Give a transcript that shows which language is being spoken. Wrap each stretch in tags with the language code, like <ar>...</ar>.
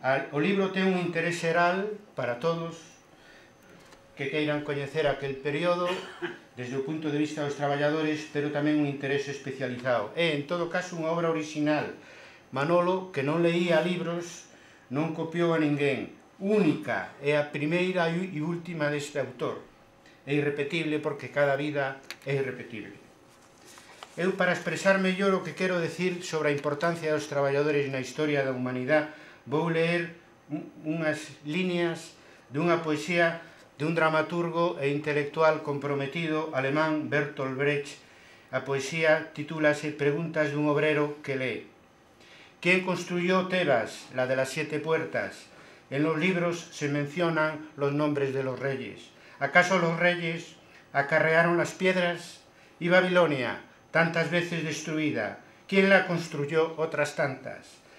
<gl>O libro ten un interés xeral para todos que queiran coñecer aquel período desde o punto de vista dos traballadores, pero tamén un interés especializado. É, en todo caso, unha obra orixinal. Manolo, que non leía libros, non copiou a ninguén. Única, é a primeira e última deste autor. É irrepetible porque cada vida é irrepetible. Eu, para expresar mellor o que quero decir sobre a importancia dos traballadores na historia da humanidade, vou ler unhas líneas dunha poesía dun dramaturgo e intelectual comprometido alemán, Bertolt Brecht. A poesía titúlase Preguntas dun obrero que lee.</gl> <es>¿Quién construyó Tebas, la de las 7 puertas? En los libros se mencionan los nombres de los reyes. ¿Acaso los reyes acarrearon las piedras? ¿Y Babilonia, tantas veces destruida, quién la construyó otras tantas?</es>